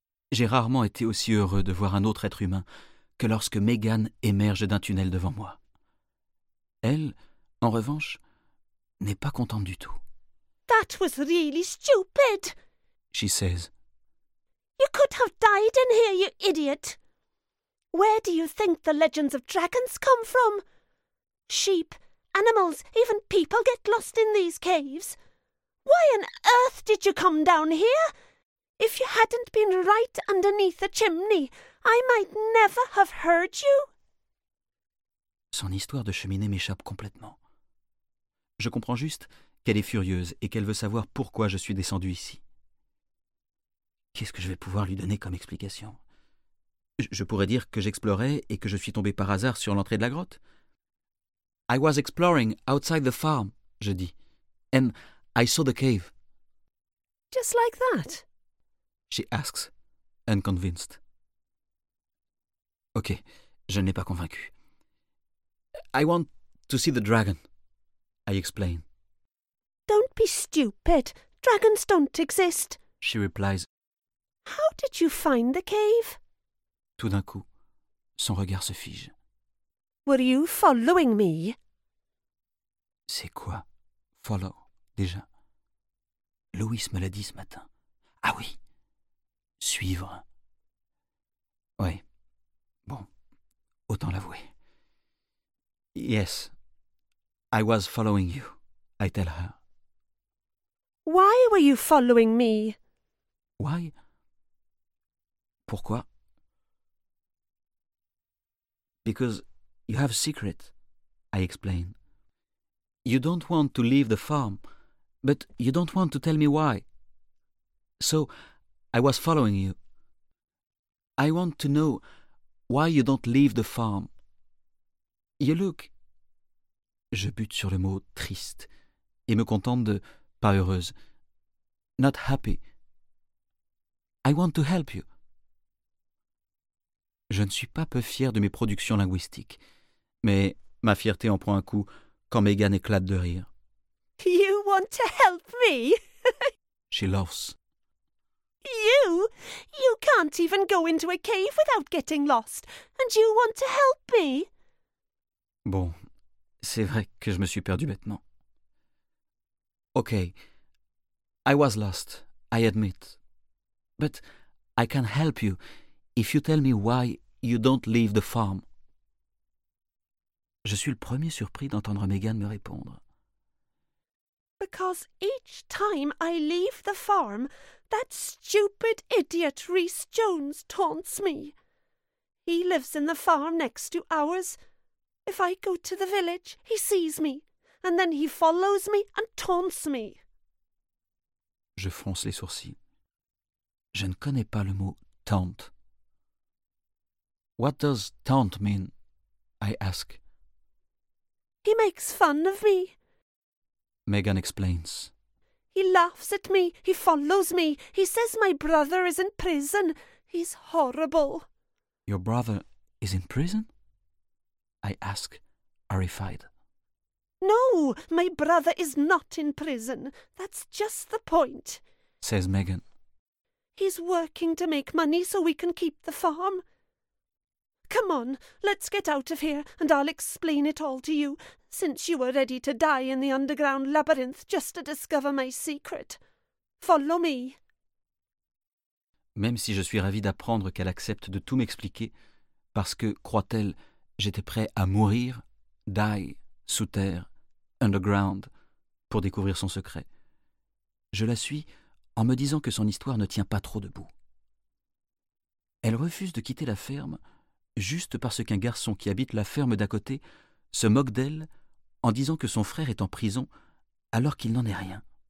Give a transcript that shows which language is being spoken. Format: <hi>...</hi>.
<fr>J'ai rarement été aussi heureux de voir un autre être humain que lorsque Megan émerge d'un tunnel devant moi. Elle, en revanche, n'est pas contente du tout.</fr> <en>That was really stupid, she says. You could have died in here, you idiot. Where do you think the legends of dragons come from? Sheep, animals, even people get lost in these caves. Why on earth did you come down here? If you hadn't been right underneath the chimney, I might never have heard you.</en> <fr>Son histoire de cheminée m'échappe complètement. Je comprends juste qu'elle est furieuse et qu'elle veut savoir pourquoi je suis descendu ici. Qu'est-ce que je vais pouvoir lui donner comme explication? Je pourrais dire que j'explorais et que je suis tombé par hasard sur l'entrée de la grotte.</fr> <en>I was exploring outside the farm,</en> <fr>je dis.</fr> <en>And I saw the cave. Just like that? She asks, unconvinced.</en> <fr>Ok, je ne l'ai pas convaincu.</fr> <en>I want to see the dragon, I explain. Don't be stupid. Dragons don't exist, she replies. How did you find the cave?</en> <fr>Tout d'un coup, son regard se fige.</fr> <en>Were you following me?</en> <fr>C'est quoi, follow, déjà? Louis me l'a dit ce matin. Ah oui, suivre. Oui, bon, autant l'avouer.</fr> <en>Yes, I was following you, I tell her. Why were you following me? Why?</en> <fr>Pourquoi?</fr> <en>Because you have a secret, I explain. You don't want to leave the farm, but you don't want to tell me why. So, I was following you. I want to know why you don't leave the farm. You look...</en> <fr>Je bute sur le mot triste et me contente de pas heureuse.</fr> <en>Not happy. I want to help you.</en> <fr>Je ne suis pas peu fier de mes productions linguistiques, mais ma fierté en prend un coup quand Megan éclate de rire.</fr> <en>You want to help me? She laughs. You? You can't even go into a cave without getting lost, and you want to help me?</en> <fr>Bon, c'est vrai que je me suis perdu bêtement.</fr> <en>Ok, I was lost, I admit. But I can help you if you tell me why you don't leave the farm.</en> <fr>Je suis le premier surpris d'entendre Megan me répondre.</fr> <en>Because each time I leave the farm, that stupid idiot Rhys Jones taunts me. He lives in the farm next to ours. If I go to the village, he sees me, and then he follows me and taunts me.</en> <fr>Je fronce les sourcils. Je ne connais pas le mot taunt.</fr> <en>What does taunt mean? I ask. He makes fun of me, Megan explains. He laughs at me, he follows me, he says my brother is in prison. He's horrible. Your brother is in prison? I ask, horrified. No, my brother is not in prison. That's just the point, says Megan. He's working to make money so we can keep the farm. Come on, let's get out of here and I'll explain it all to you, since you were ready to die in the underground labyrinth just to discover my secret. Follow me.</en> <fr>Même si je suis ravie d'apprendre qu'elle accepte de tout m'expliquer, parce que, croit-elle, j'étais prêt à mourir, die, sous terre, underground, pour découvrir son secret. Je la suis en me disant que son histoire ne tient pas trop debout. Elle refuse de quitter la ferme juste parce qu'un garçon qui habite la ferme d'à côté se moque d'elle en disant que son frère est en prison alors qu'il n'en est rien.</fr>